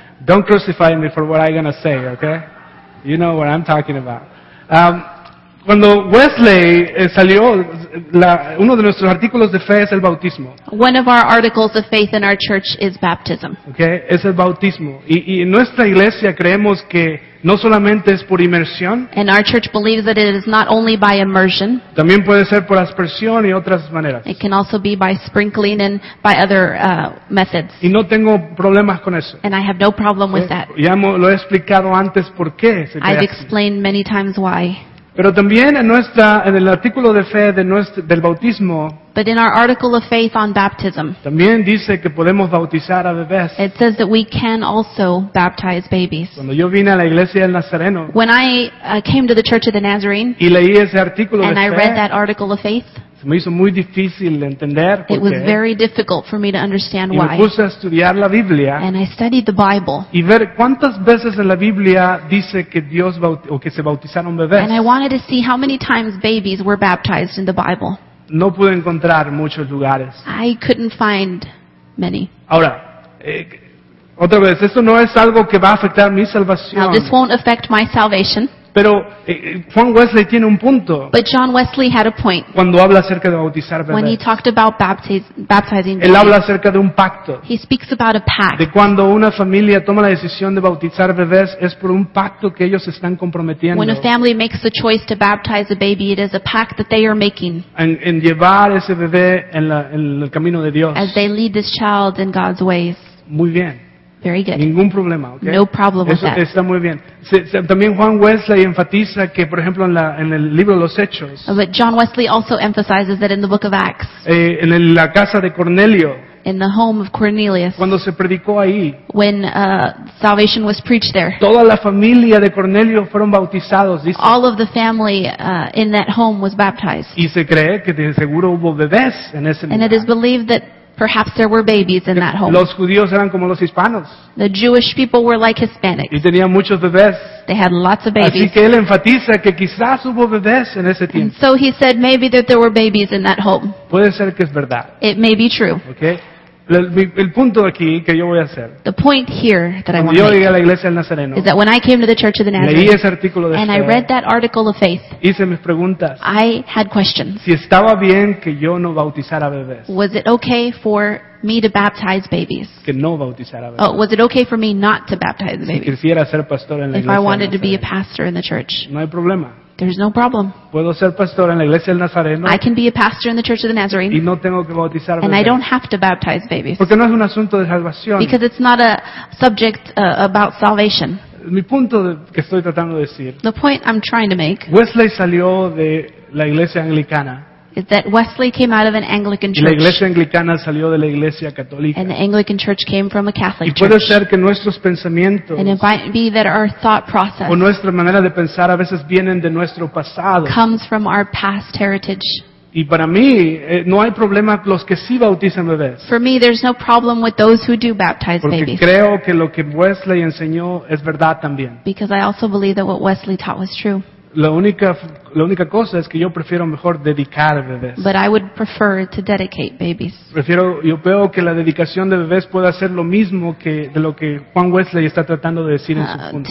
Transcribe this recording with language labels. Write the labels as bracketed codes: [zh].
[en] Don't crucify me for what I'm going to say, okay? You know what I'm talking about. [es] Cuando Wesley salió, uno de nuestros artículos de fe es el bautismo. [en] One of our articles of faith in our church is baptism. [es] Okay, es el bautismo. Y en nuestra iglesia creemos que no solamente es por inmersión. [en] And our church believes that it is not only by immersion. [es] También puede ser por aspersión y otras maneras. [en] It can also be by sprinkling and by other methods. [es] Y no tengo problemas con eso. [en] And I have no problem with that. [es] Ya lo he explicado antes por qué. [en] I've explained many times why. [es] Pero también en el artículo de fe del bautismo. [en] But in our article of faith on baptism, [es] también dice que podemos bautizar a bebés. [en] It says that we can also baptize babies. [es] Cuando yo vine a la iglesia del Nazareno, [en] when I came to the Church of the Nazarene, [es] y leí ese artículo [en] and [es] de [en] I [es] fe, [en] read that article of faith, [es] se me hizo muy difícil entender [en] it was very difficult for me to understand why. [es] Y me puse a estudiar la Biblia, [en] and I studied the Bible. [es] Y ver cuántas veces en la Biblia dice que Dios o que se bautizaron bebés. [en] And I wanted to see how many times babies were baptized in the Bible. [es] No pude encontrar muchos lugares. [en] I couldn't find many. [es] Ahora, otra vez, esto no es algo que va a afectar mi salvación. [en] Now, this won't affect my salvation. [es] Pero Juan Wesley tiene un punto. [en] But John Wesley had a point. [es] Cuando habla acerca de bautizar bebés. [en] When he talked about baptizing [es] babies. Él habla acerca de un pacto. [en] He speaks about a pact. [es] De cuando una familia toma la decisión de bautizar bebés, es por un pacto que ellos están comprometiendo. [en] When a family makes the choice to baptize a baby, it is a pact that they are making. [es] En llevar ese bebé en el camino de Dios. [en] As they lead this child in God's ways. [es] Muy bien. [en] Very good. [es] Ningún problema, okay? [en] No problem with [es] that. Está muy bien. También Juan Wesley enfatiza que, por ejemplo, en el libro Los Hechos. [en] But John Wesley also emphasizes that in the book of Acts. [es] En la casa de Cornelio. [en] In the home of Cornelius. [es] Cuando se predicó ahí. [en] When salvation was preached there. [es] Toda la familia de Cornelio fueron bautizados, dice. [en] All of the family in that home was baptized. [es] Y se cree que de seguro hubo bebés en ese lugar. [en] And it is believed that Perhaps there were babies in that home. [es] Los judíos eran como los hispanos. [en] The Jewish people were like Hispanics. [es] Y tenían muchos bebés. [en] They had lots of babies. [es] Así que él enfatiza que quizás hubo bebés en ese tiempo. [en] So he said maybe that there were babies in that home. [es] Puede ser que es verdad. [en] It may be true. Okay. [es] El punto aquí que yo voy a hacer. [en] The point here that [es] cuando [en] I want [es] yo [en] to [es] llegué a la iglesia del Nazareno. [en] Is that when I came to the Church of the Nazarene. [es] Leí ese artículo de [en] and [es] fe, [en] I read that article of faith. [es] Hice mis preguntas. [en] I had questions. [es] Si estaba bien que yo no bautizara bebés. [en] Was it okay for me to baptize babies? [es] Que no bautizara bebés. [en] Oh, was it okay for me not to baptize babies? [es] Si quisiera ser pastor en la [en] if [es] iglesia [en] To be a pastor in the church. [es] No hay problema. [en] There's no problem. [es] Puedo ser pastor en la iglesia del Nazareno. [en] I can be a pastor in the Church of the Nazarene. [es] Y no tengo que bautizar [en] and [es] bebés. [en] I don't have to baptize babies. [es] Porque no es un asunto de salvación. [en] Because it's not a subject about salvation. [es] Mi punto que estoy tratando de decir, [en] the point I'm trying to make. [es] Wesley salió de la iglesia anglicana. [en] Is that Wesley came out of an Anglican church. [es] Y la iglesia anglicana salió de la iglesia católica. [en] And the Anglican church came from a Catholic [es] y puede [en] church. [es] Ser que nuestros pensamientos, [en] and it might be that our thought process [es] o nuestra manera de pensar a veces vienen de nuestro pasado. [en] Comes from our past heritage. [es] Y para mí, no hay problema los que sí bautizan bebés. [en] For me, there's no problem with those who do baptize [es] porque [en] babies. [es] Creo que lo que Wesley enseñó es verdad también. [en] Because I also believe that what Wesley taught was true. [es] La única cosa es que yo prefiero mejor dedicar bebés. [en] But I would prefer to dedicate babies. [es] Prefiero, yo veo que la dedicación de bebés puede hacer lo mismo que de lo que Juan Wesley está tratando de decir en su punto.